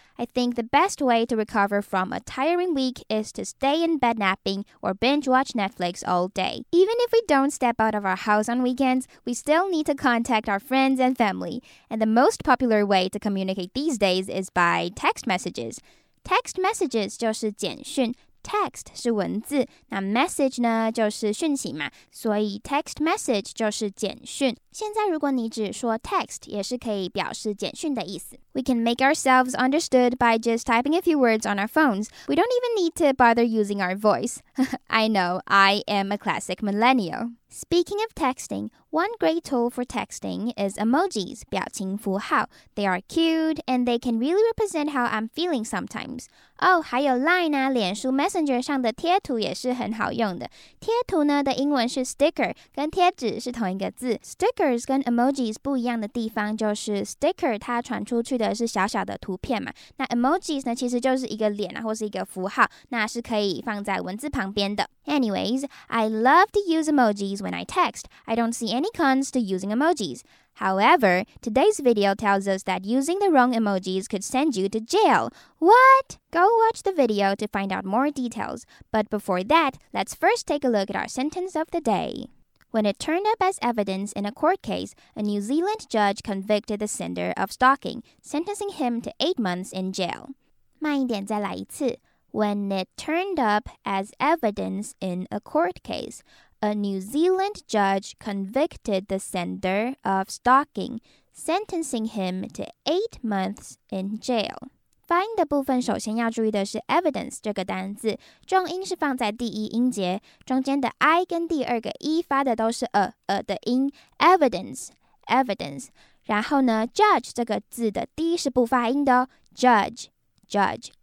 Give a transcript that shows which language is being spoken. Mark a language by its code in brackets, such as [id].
[en] I think the best way to recover from a tiring week is to stay in bed napping or binge watch Netflix all day. Even if we don't step out of our house on weekends, we still need to contact our friends and family. And the most popular way to communicate these days is by text messages. [zh] Text messages 就是简讯。 Text 是文字，那 message 呢就是讯息嘛，所以 text message 就是简讯。现在如果你只说 text， 也是可以表示简讯的意思。 [en] We can make ourselves understood by just typing a few words on our phones. We don't even need to bother using our voice. I know, I am a classic millennial. Speaking of texting, one great tool for texting is emojis, 表情符号. They are cute, and they can really represent how I'm feeling sometimes. [zh] Oh, 还有 Line 啊，脸书 Messenger 上的贴图也是很好用的。贴图呢的英文是 sticker， 跟贴纸是同一个字。 Stickers 跟 emojis 不一样的地方就是 sticker 它传出去的是小小的图片嘛，那 emojis 呢其实就是一个脸啊，或是一个符号，那是可以放在文字旁边的。 [en] Anyways, I love to use emojis when I text. I don't see any cons to using emojis. However, today's video tells us that using the wrong emojis could send you to jail. What? Go watch the video to find out more details. But before that, let's first take a look at our sentence of the day. When it turned up as evidence in a court case, a New Zealand judge convicted the sender of stalking, sentencing him to 8 months in jail. [zh] 慢一点再来一次。 [en] When it turned up as evidence in a court case, a New Zealand judge convicted the sender of stalking, sentencing him to 8 months in jail. [zh] 发音的部分首先要注意的是 evidence 这个单字，重音是放在第一音节，中间的 I 跟第二个 E 发的都是的音 evidence, evidence. 然后呢 judge 这个字的 D 是不发音的哦 judge, judge.